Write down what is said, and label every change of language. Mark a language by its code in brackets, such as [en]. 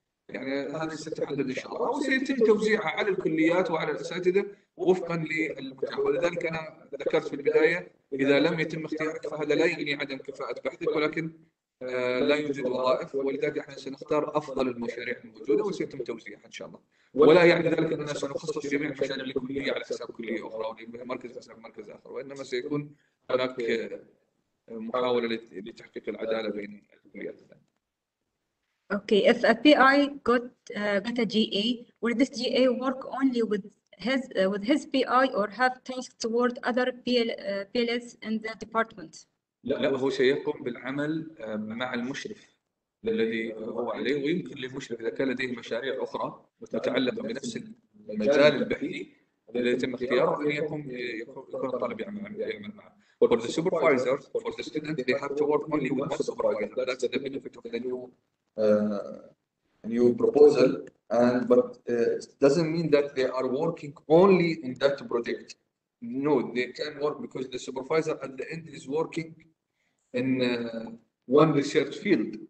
[ar] يعني هذه ستحدد إن شاء الله، وسيتم توزيعها على الكليات وعلى الأساتذة وفقا للمتاح، ولذلك أنا ذكرت في البداية إذا لم يتم اختيارك فهذا لا يعني عدم كفاءة بحثك، ولكن لا يوجد وظائف، ولذلك احنا سنختار افضل المشاريع الموجوده وسيتم توزيعها ان شاء الله، ولا يعني ذلك اننا سنخصص جميع المشاريع لكليه على حساب كليه اخرى او مركز حساب مركز اخر، وانما سيكون هناك محاوله لتحقيق العداله بين الكليات. [en] Okay, if a PI got a GA, will this GA work only with his PI or have tasks toward other PLs in the department? [ar] لا، هو سيقوم بالعمل مع المشرف الذي هو عليه، ويمكن للمشرف إذا كان لديه مشاريع أخرى متعلقة بنفس المجال البحثي الذي يتم اختياره أن يكون الطالب يعمل معه. [en] For the supervisor, for the student, they have to work only with one supervisor. That's the benefit of the new proposal. But it doesn't mean that they are working only in that project. No, they can work because the supervisor at the end is working in one research field.